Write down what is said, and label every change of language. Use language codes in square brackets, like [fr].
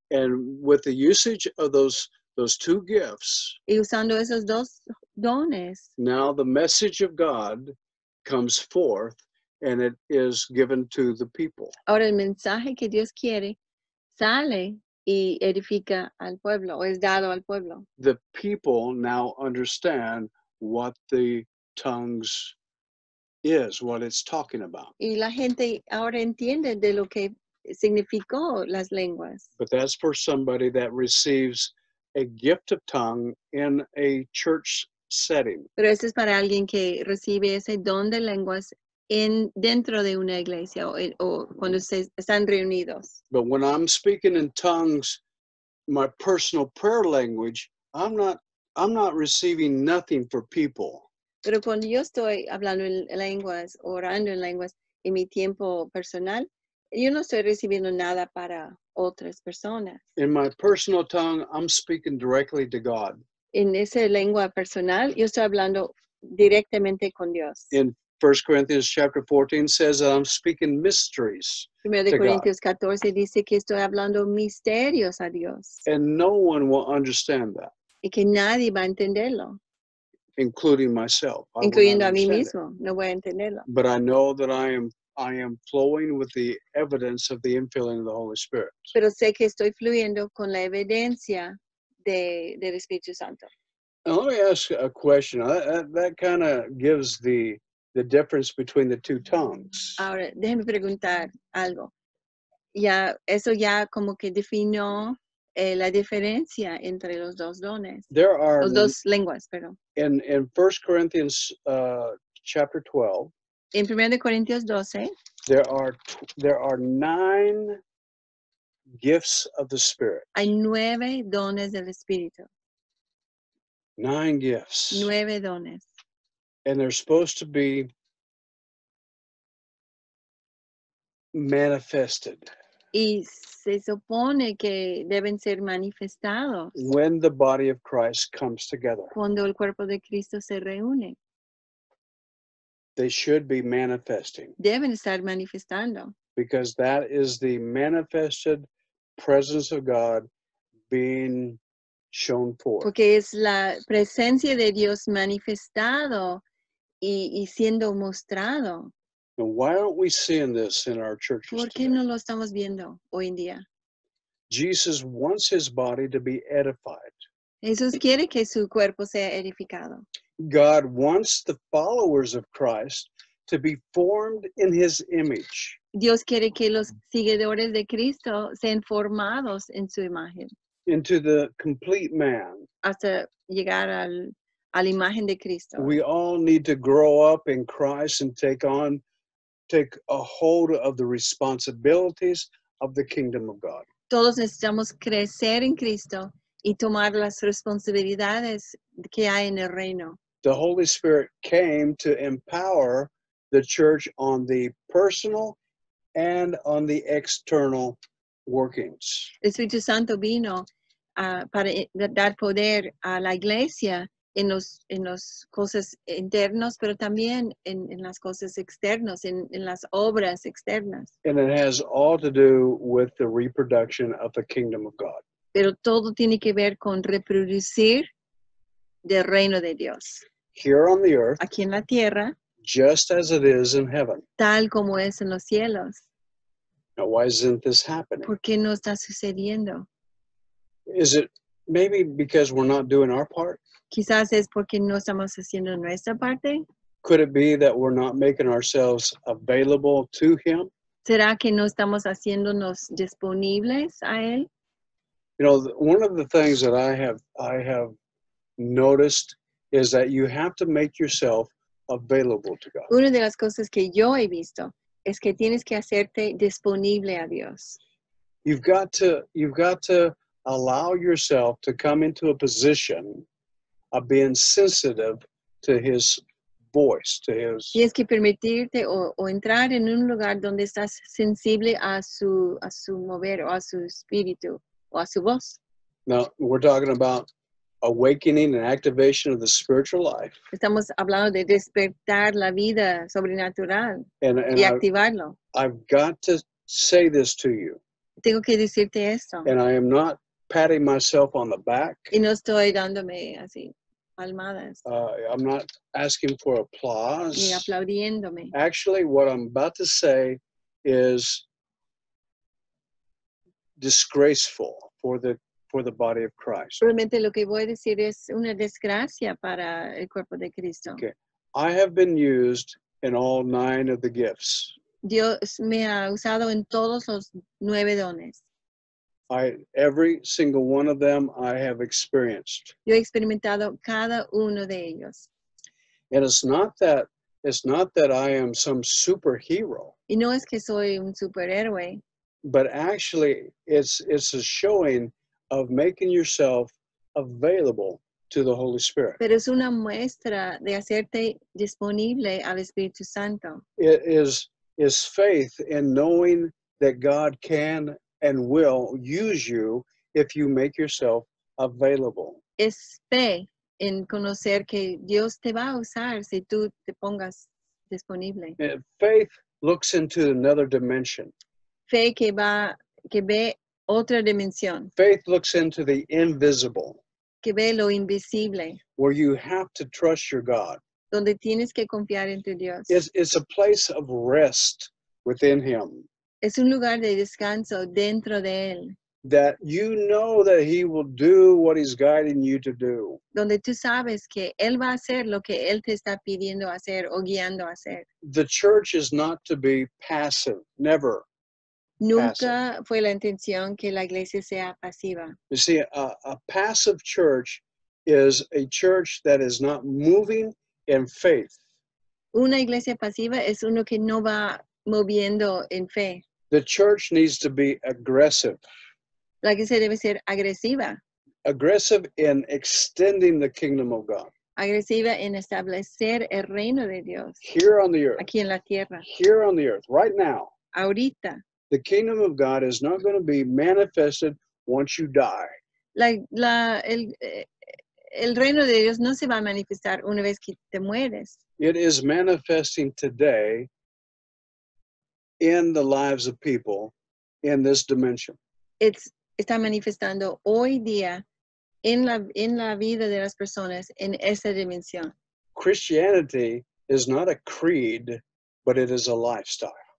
[en] And with the usage of those two gifts, [es] y usando esos dos dones, [en] now the message of God comes forth and it is given to the people. [es] Ahora el mensaje que Dios quiere sale y edifica al pueblo, o es dado al pueblo. [en] The people now understand what the tongues is, what it's talking about. [es] Y la gente ahora entiende de lo que significó las lenguas. [en] But that's for somebody that receives a gift of tongue in a church setting. [es] Pero eso es para alguien que recibe ese don de lenguas dentro de una iglesia o cuando están reunidos. [en] But when I'm speaking in tongues, my personal prayer language, I'm not receiving nothing for people. [es] Pero cuando yo estoy hablando en lenguas, orando en lenguas, en mi tiempo personal, yo no estoy recibiendo nada para otras personas. [en] In my personal tongue, I'm speaking directly to God. [es] En esa lengua personal, yo estoy hablando directamente con Dios. [en] In 1 Corinthians chapter 14 says that I'm speaking mysteries. [es] Primero de Corintios 14 dice que estoy hablando misterios a Dios. [en] And no one will understand that. [es] Y que nadie va a entenderlo. [en] Including myself. [es] Incluyendo a mí mismo. No voy a entenderlo. [en] But I know that I am flowing with the evidence of the infilling of the Holy Spirit. [es] Pero sé que estoy fluyendo con la evidencia del Espíritu Santo. [en] Now let me ask a question. That kind of gives the difference between the two tongues. [es] Ahora, déjeme preguntar algo. Ya, eso ya como que definió la diferencia entre los dos dones. [en] There are [es] los dos lenguas, perdón. [en] In 1 Corinthians chapter 12, [es] en 1 Corintios 12, [en] there are 9 gifts of the Spirit. [es] Hay 9 dones del Espíritu. [en] 9 gifts. [es] 9 dones. [en] And they're supposed to be manifested. [es] Y se supone que deben ser manifestados. [en] When the body of Christ comes together. [es] Cuando el cuerpo de Cristo se reúne. [en] They should be manifesting. [es] Deben estar manifestando. [en] because that is the manifested presence of God being shown forth. [es] Porque es la presencia de Dios manifestado y siendo mostrado. [en] And why aren't we seeing this in our churches? [es] ¿Por qué no lo estamos viendo hoy en día? [en] Jesus wants his body to be edified. [es] Jesús quiere que su cuerpo sea edificado. [en] God wants the followers of Christ to be formed in his image. [es] Dios quiere que los seguidores de Cristo sean formados en su imagen. [en] Into the complete man. [es] Hasta llegar a la imagen de Cristo. [en] We all need to grow up in Christ and take a hold of the responsibilities of the kingdom of God. [es] Todos necesitamos crecer en Cristo y tomar las responsabilidades que hay en el reino. [en] The Holy Spirit came to empower the church on the personal and on the external workings. [es] Espíritu Santo vino para dar poder a la iglesia en los cosas internos, pero también en las cosas externas, en las obras externas. [en] And it has all to do with the reproduction of the kingdom of God. [es] Pero todo tiene que ver con reproducir del reino de Dios. [en] Here on the earth, [es] aquí en la tierra, [en] just as it is in heaven, [es] tal como es en los cielos. [en] Now, why isn't this happening? [es] ¿Por qué no está sucediendo? [en] Is it maybe because we're not doing our part? [es] Quizás es porque no estamos haciendo nuestra parte. [en] Could it be that we're not making ourselves available to him? [es] ¿Será que no estamos haciéndonos disponibles a él? [en] You know, one of the things that I have noticed is that you have to make yourself available to God. [es] Una de las cosas que yo he visto es que tienes que hacerte disponible a Dios. [en] You've got to allow yourself to come into a position of being sensitive to his voice, to his. [es] Tienes que permitirte o entrar en un lugar donde estás sensible a su mover o a su espíritu o a su voz. [en] Now, we're talking about awakening and activation of the spiritual life. [es] Estamos hablando de despertar la vida sobrenatural y activarlo. [en] I've got to say this to you. [es] Tengo que decirte esto. [en] And I am not patting myself on the back. [es] Y no estoy dándome así palmadas. [en] I'm not asking for applause. [es] Ni aplaudiéndome. [en] Actually, what I'm about to say is disgraceful for the body of Christ. [es] Realmente lo que voy a decir es una desgracia para el cuerpo de Cristo. [en] Okay. I have been used in all 9 of the gifts. [es] Dios me ha usado en todos los 9 dones. [en] Every single one of them I have experienced. [es] Yo he experimentado cada uno de ellos. [en] And it's not that I am some superhero. [es] Y no es que soy un superhéroe. [en] But actually, it's a showing of making yourself available to the Holy Spirit. [es] Pero es una muestra de hacerte disponible al Espíritu Santo. [en] It is faith in knowing that God can and will use you if you make yourself available. [es] Es fe en conocer que Dios te va a usar si tú te pongas disponible. [en] Faith looks into another dimension. [es] Fe que ve otra dimensión. [en] Faith looks into the invisible. [es] Que ve lo invisible. [en] Where you have to trust your God. [es] Donde tienes que confiar en tu Dios. [en] It's a place of rest within him. [es] Es un lugar de descanso dentro de él. [en] That you know that he will do what he's guiding you to do. [es] Donde tú sabes que él va a hacer lo que él te está pidiendo hacer o guiando a hacer. [en] The church is not to be passive, never. [es] Nunca fue la intención que la iglesia sea pasiva. [en] You see, a passive church is a church that is not moving in faith. [es] Una iglesia pasiva es uno que no va moviendo en fe. [en] The church needs to be aggressive. [es] La iglesia debe ser agresiva. [en] Aggressive in extending the kingdom of God. [es] Agresiva en establecer el reino de Dios. [en] Here on the earth. [es] Aquí en la tierra. [en] Here on the earth, right now. [es] Ahorita. [en] The kingdom of God is not going to be manifested once you die. [es] El reino de Dios no se va a manifestar una vez que te mueres. [en] It is manifesting today. in the lives of people in this dimension. [es] It's está manifestando hoy día en la vida de las personas en esa dimensión. [en] Christianity is not a creed, but it is a lifestyle.